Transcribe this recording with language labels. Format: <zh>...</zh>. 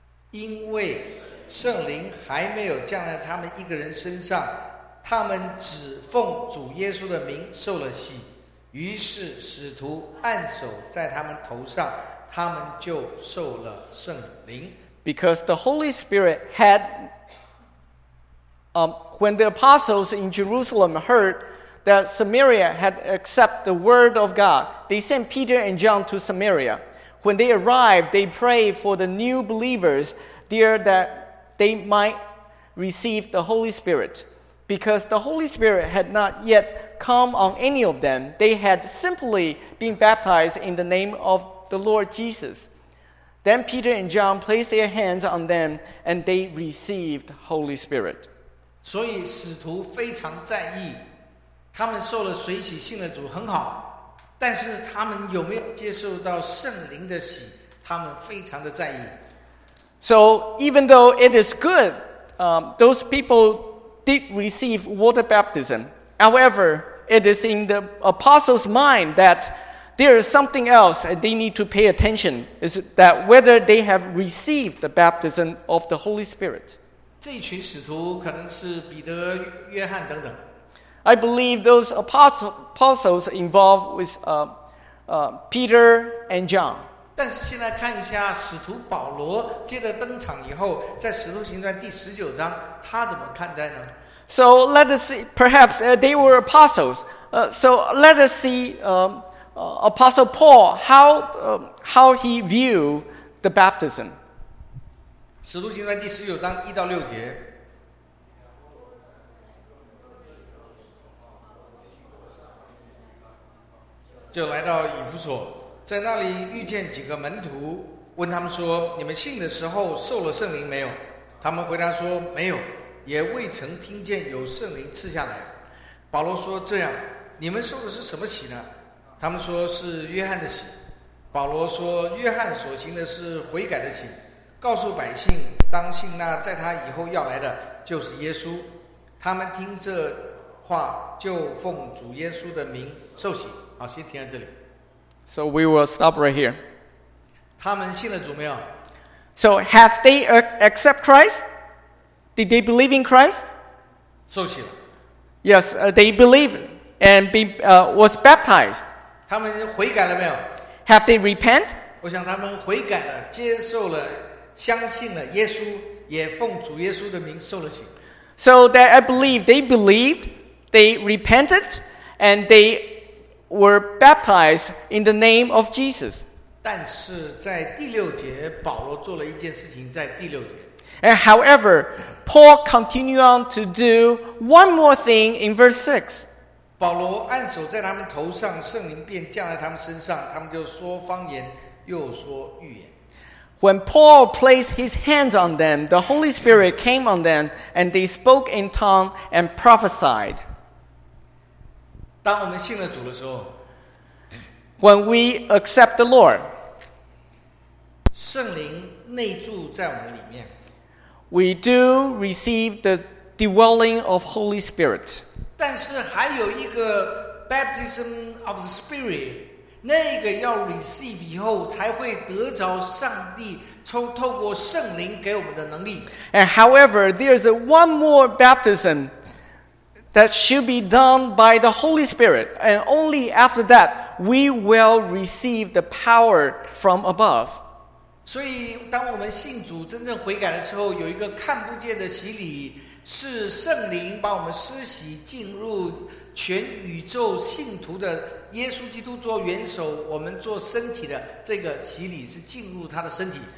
<zh>因为圣灵还没有降在他们一个人身上，他们只奉主耶稣的名受了洗，于是使徒按手在他们头上，他们就受了圣灵。</zh> <en>Because the Holy Spirit had, when the apostles in Jerusalem heard that Samaria had accepted the word of God, they sent Peter and John to Samaria. When they arrived, they prayed for the new believers there that they might receive the Holy Spirit. Because the Holy Spirit had not yet come on any of them, they had simply been baptized in the name of the Lord Jesus. Then Peter and John placed their hands on them, and they received Holy Spirit.</en> <zh>所以使徒非常在意，他们受了水洗信了主很好，但是他们有没有接受到圣灵的洗，他们非常的在意。</zh> <en>So even though it is good, those people did receive water baptism. However, it is in the apostles' mind that there is something else and they need to pay attention, is that whether they have received the baptism of the Holy Spirit.</en> <zh>这群使徒可能是彼得、约翰等等。</zh> <en>I believe those apostles involved with Peter and John.</en> <zh>但是现在看一下使徒保罗接着登场以后，在使徒行传第十九章，他怎么看待呢？</zh> <en>So let us see, perhaps they were apostles. So let us see Apostle Paul, how he viewed the baptism.</en> <zh>使徒行传第十九章一到六节。就来到以弗所，在那里遇见几个门徒，问他们说，你们信的时候受了圣灵没有？他们回答说，没有。也未曾听见有圣灵赐下来。保罗说，这样你们受的是什么洗呢？他们说是约翰的洗。保罗说，约翰所行的是悔改的洗，告诉百姓当信那在他以后要来的，就是耶稣。他们听这话，就奉主耶稣的名受洗。好，先停在这里。</zh> <en>So we will stop right here.</en> <zh>他们信了主没有？</zh> <en>So have they accept Christ? Did they believe in Christ?</en> <zh>受洗了。</zh> <en>Yes, they believed and was baptized.</en> <zh>他们悔改了没有？</zh> <en>Have they repented?</en> <zh>我想他们悔改了，接受了，相信了耶稣，也奉主耶稣的名受了洗。</zh> <en>So that I believe they believed, they repented, and they were baptized in the name of Jesus.</en> <zh>但是在第六节，保罗做了一件事情，在第六节。</zh> <en>And however, Paul continued on to do one more thing in verse 6.</en> <zh>保罗按手在他们头上，圣灵便降在他们身上，他们就说方言，又说预言。</zh> <en>When Paul placed his hands on them, the Holy Spirit came on them, and they spoke in tongues and prophesied.</en> <zh>当我们信了主的时候，</zh> <en>When we accept the Lord,</en> <zh>圣灵内住在我们里面。</zh> <en>We do receive the dwelling of Holy Spirit.</en> <zh>但是还有一个</zh> <en>baptism of the Spirit,</en> <zh>那个要</zh> <en>receive</en> <zh>以后才会得着上帝透过圣灵给我们的能力。</zh> <en>And however, there's one more baptism that should be done by the Holy Spirit, and only after that we will receive the power from above.</en> <zh>所以当我们信主真正悔改的时候，有一个看不见的洗礼，是圣灵把我们施洗进入全宇宙信徒的耶稣基督做元首，我们做身体的这个洗礼是进入他的身体。</zh>